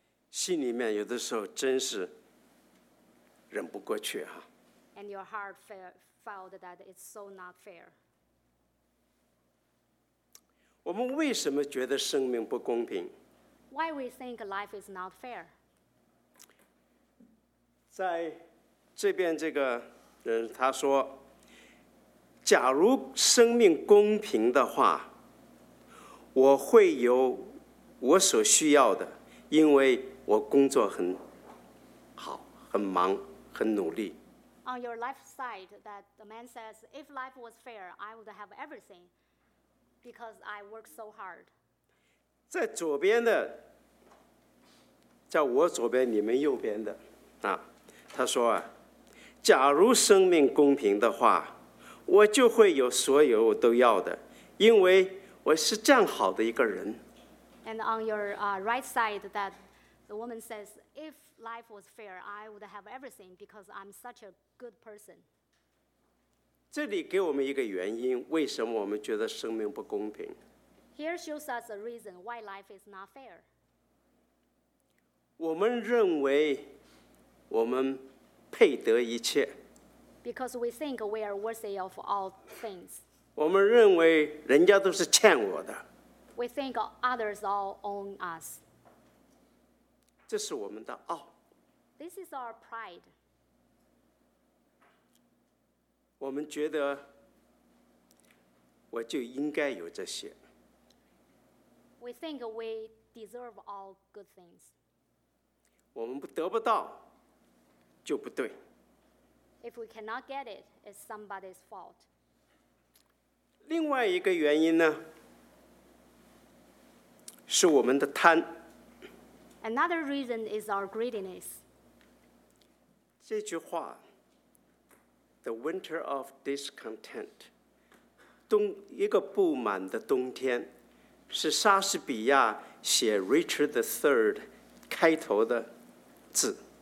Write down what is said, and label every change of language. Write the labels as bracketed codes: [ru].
[zh] 心里面有的时候真是忍不过去啊。 [en] And your heart felt that it's so not fair. [zh] 我们为什么觉得生命不公平？ [en] Why we think life is not fair? [zh] 在这边这个人他说，假如生命公平的话，我会有我所需要的，因为我工作很好，很忙。很努力。 [en] On your left side, that the man says, if life was fair, I would have everything because I work so hard. [zh] 在左边的，在我左边，你们右边的，啊，他说啊，假如生命公平的话，我就会有所有我都要的，因为我是这样好的一个人。 [en] And on your right side, that the woman says, if life was fair, I would have everything because I'm such a good person. [zh] 这里给我们一个原因，为什么我们觉得生命不公平。 [en] Here shows us a reason why life is not fair. [zh] 我们认为我们配得一切。 [en] Because we think we are worthy of all things. [zh] 我们认为人家都是欠我的。 [en] We think others all own us. [zh] 这是我们的傲。 [en] This is our pride. [zh] 我们觉得我就应该有这些。 [en] We think we deserve all good things. [zh] 我们得不到就不对。 [en] If we cannot get it, it's somebody's fault. [zh] 另外一个原因呢，是我们的贪。 [en] Another reason is our greediness. [zh] 这句话 [en] The winter of discontent, [zh] 一个不满的冬天，是莎士比亚写 Richard III 开头的字。